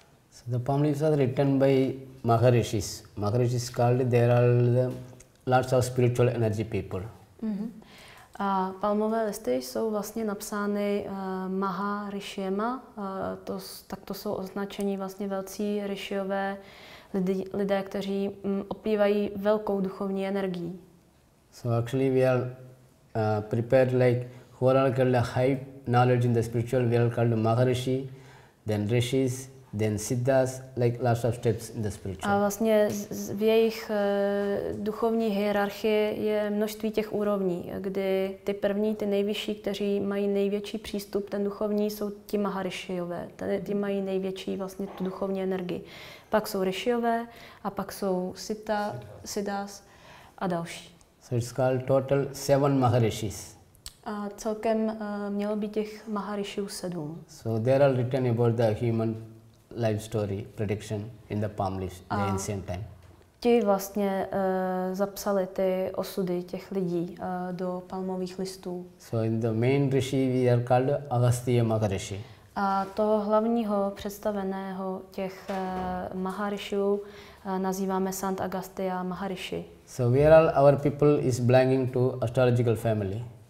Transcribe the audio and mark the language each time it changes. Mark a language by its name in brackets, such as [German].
[English] So the palm leaves are written by Maharishis. Maharishis called, there are lots of spiritual energy people. [Czech] A palmové listy jsou vlastně napsány Maharishiema, tak to jsou označení vlastně velcí rishiové lidé, kteří opívají velkou duchovní energii. [English] So actually we are prepared like who are called a high knowledge in the spiritual, we are called Maharishi, then Rishis, then Siddhas, like lots of steps in the spiritual. [Czech] A vlastně v jejich duchovní hierarchii je množství těch úrovní, kdy ty první, ty nejvyšší, kteří mají největší přístup, ten duchovní, jsou ti Maharishiové, ty mají největší vlastně tu duchovní energii. Pak jsou Rishiové a pak jsou Siddhas a další. [English] So it's called total seven Maharishis. [Czech] A celkem mělo být těch Maharishiů sedm. [English] So there are written about the human life story prediction in the palm leaves, the ancient time. [Czech] Ti vlastně zapsali ty osudy těch lidí do palmových listů. [English] So in the main rishi we are called Agastya Maharishi. [Czech] A toho hlavního představeného těch Maharishiů nazýváme Sant Agastya Maharishi. [English] So we are all, our people is belonging to astrological family.